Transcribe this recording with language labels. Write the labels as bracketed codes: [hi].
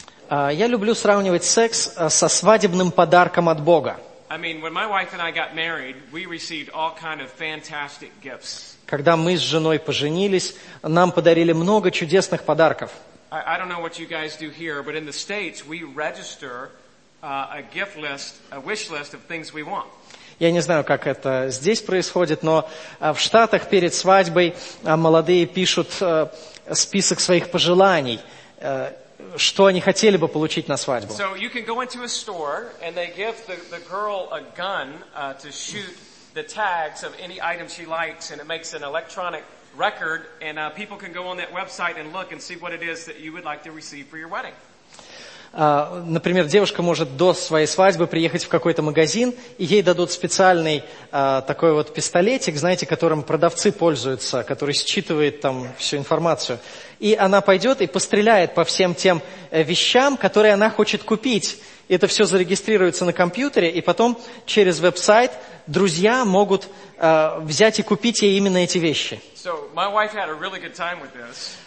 [ru] Я люблю сравнивать секс со свадебным подарком от Бога. [en] I mean, when my wife and I got married, we received all kind of fantastic gifts. [ru] Когда мы с женой поженились, нам подарили много чудесных подарков. [en] I don't know what you guys do here, but in the States, we register a gift list, a wish list of things we want. [ru] Я не знаю, как это здесь происходит, но в Штатах перед свадьбой молодые пишут список своих пожеланий. Что они хотели бы получить на свадьбу. [en] So you can go into a store and they give the girl a gun to shoot the tags of any item she likes and it makes an electronic record and people can go on that website and look and see what it is that you would like to receive for your wedding. [ru] Например, девушка может до своей свадьбы приехать в какой-то магазин, и ей дадут специальный такой вот пистолетик, знаете, которым продавцы пользуются, который считывает там всю информацию. И она пойдет и постреляет по всем тем вещам, которые она хочет купить. Это все зарегистрируется на компьютере, и потом через веб-сайт друзья могут взять и купить ей именно эти вещи. [en] So, my wife had a really good time with this.